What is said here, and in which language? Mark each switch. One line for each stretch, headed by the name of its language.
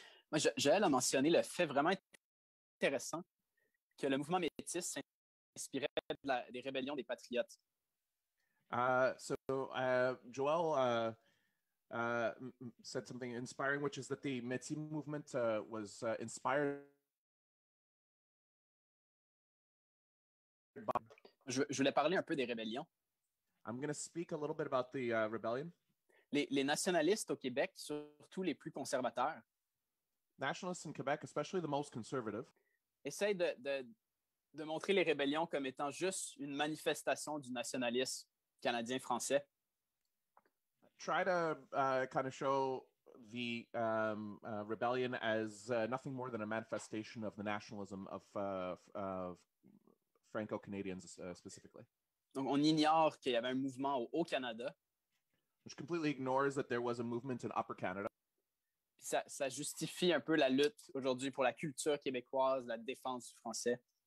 French: Moi, Joël a mentionné le fait vraiment intéressant que le mouvement métis s'inspirait des rébellions des patriotes.
English: Joël said something inspiring, which is that the Métis movement was inspired by...
French: Je voulais parler un peu des rébellions.
English: I'm going to speak a little bit about the rebellion.
French: Les nationalistes au Québec, surtout les plus conservateurs,
English: nationalists in Quebec, especially the most conservative,
French: essayent de montrer les rébellions comme étant juste une manifestation du nationalisme canadien-français.
English: Try to kind of show the rebellion as nothing more than a manifestation of the nationalism of Franco-Canadians specifically.
French: Donc, on ignore qu'il y avait un mouvement au Haut-Canada.
English: Which completely ignores that there was a movement in Upper Canada.
French: Ça justifie un peu la lutte aujourd'hui pour la culture québécoise, la défense du français.